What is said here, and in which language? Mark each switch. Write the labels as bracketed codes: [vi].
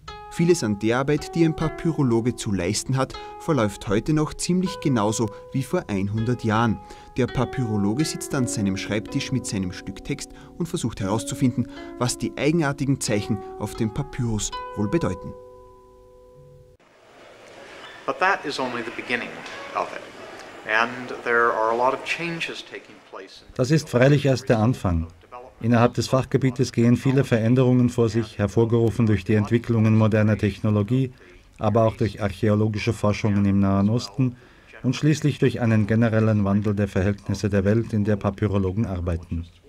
[de] Vieles an der Arbeit, die ein Papyrologe zu leisten hat, verläuft heute noch ziemlich genauso wie vor 100 Jahren. Der Papyrologe sitzt an seinem Schreibtisch mit seinem Stück Text und versucht herauszufinden, was die eigenartigen Zeichen auf dem Papyrus wohl bedeuten. [en] But that is only the beginning of it. And there are a lot of changes taking place. [de] Das ist freilich erst der Anfang. Innerhalb des Fachgebietes gehen viele Veränderungen vor sich, hervorgerufen durch die Entwicklungen moderner Technologie, aber auch durch archäologische Forschungen im Nahen Osten und schließlich durch einen generellen Wandel der Verhältnisse der Welt, in der Papyrologen arbeiten.